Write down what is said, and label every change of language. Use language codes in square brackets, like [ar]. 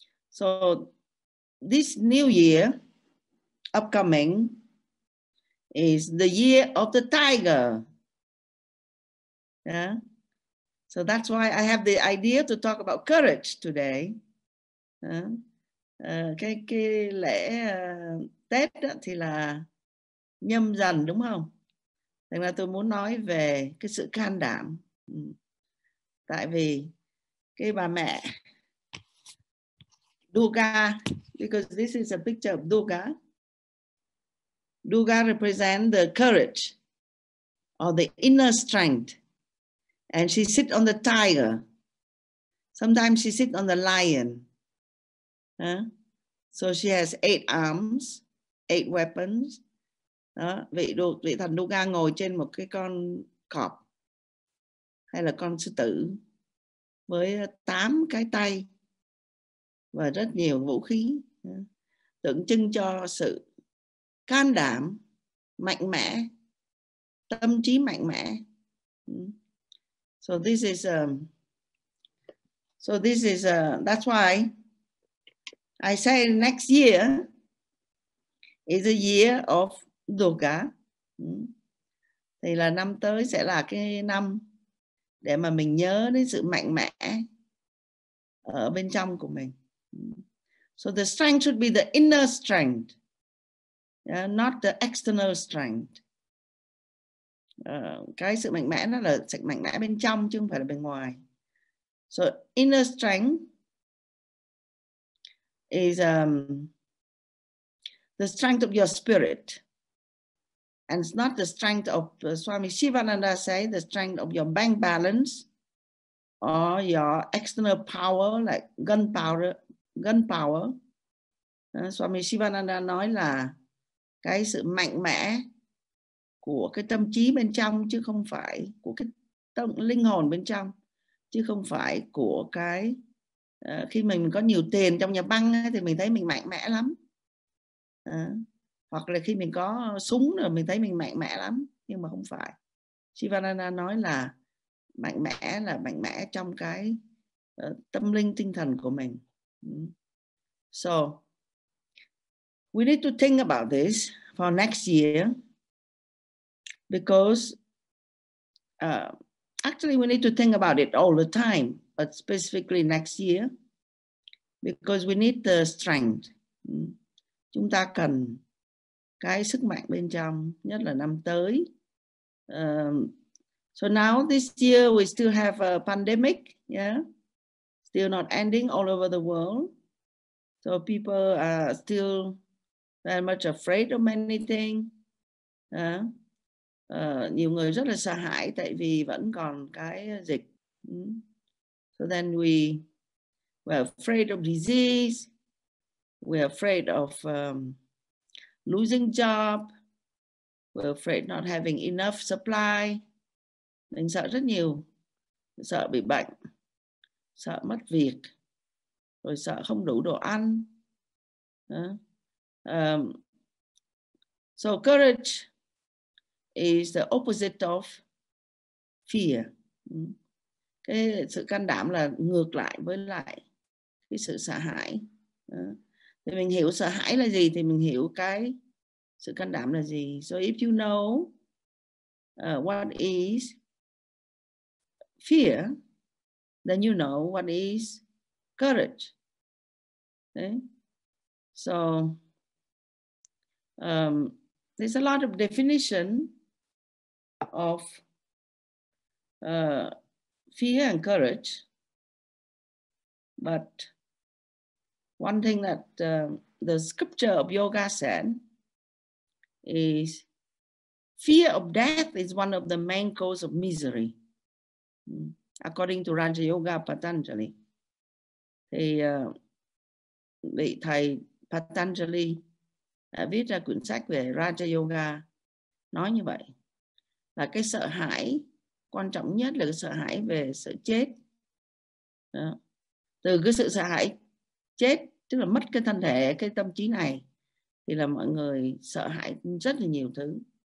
[en] So this New Year upcoming is the year of the tiger. Yeah. So that's why I have the idea to talk about courage today. [vi] Cái lễ Tết đó thì là Nhâm Dần đúng không? Thành ra tôi muốn nói về cái sự can đảm. Tại vì cái bà mẹ Durga, [en] because this is a picture of Durga. Durga represents the courage or the inner strength. And she sits on the tiger. Sometimes she sits on the lion. So she has 8 arms, 8 weapons. [vi] Vị thần Durga ngồi trên một cái con cọp hay là con sư tử với 8 cái tay và rất nhiều vũ khí, tượng trưng cho sự can đảm, mạnh mẽ, tâm trí mạnh mẽ. [en] So this is that's why I say next year is a year of Durga. [vi] Thì là năm tới sẽ là cái năm để mà mình nhớ đến sự mạnh mẽ ở bên trong của mình. [en] So the strength should be the inner strength, not the external strength. [vi] Cái sự mạnh mẽ nó là sự mạnh mẽ bên trong chứ không phải là bên ngoài. [en] So inner strength is the strength of your spirit. And it's not the strength of Swami Sivananda say, the strength of your bank balance or your external power like gunpowder. [vi] Swami Sivananda nói là cái sự mạnh mẽ của cái tâm trí bên trong chứ không phải của cái tâm linh hồn bên trong chứ không phải của cái khi mình có nhiều tiền trong nhà băng ấy, thì mình thấy mình mạnh mẽ lắm. Hoặc là khi mình có súng rồi mình thấy mình mạnh mẽ lắm, nhưng mà không phải. Sivananda nói là mạnh mẽ trong cái tâm linh tinh thần của mình. [en] So we need to think about this for next year because actually we need to think about it all the time, but specifically next year because we need the strength. [vi] Chúng ta cần cái sức mạnh bên trong, nhất là năm tới. [en] So now this year we still have a pandemic, still not ending all over the world. So people are still very much afraid of many things. [vi] Nhiều người rất là sợ hãi tại vì vẫn còn cái dịch. [en] So then we're afraid of disease. We're afraid of losing job. We're afraid not having enough supply. [vi] Mình sợ rất nhiều. Sợ bị bệnh. Sợ mất việc. rồi sợ không đủ đồ ăn. [en] So courage is the opposite of fear. [vi] Cái sự can đảm là ngược lại với lại cái sự sợ hãi. Thì mình hiểu sợ hãi là gì thì mình hiểu cái sự can đảm là gì. [en] So if you know what is fear, then you know what is courage. Okay. So there's a lot of definition of fear and courage, but one thing that the scripture of yoga said is fear of death is one of the main cause of misery, according to Raja Yoga Patanjali. [vi] Thì vị thầy Patanjali đã viết ra quyển sách về Raja Yoga nói như vậy, là cái sợ hãi quan trọng nhất là cái sợ hãi về sự chết. Đó. Từ cái sự sợ hãi chết, tức là mất cái thân thể, cái tâm trí này, thì là mọi người sợ hãi rất là nhiều thứ.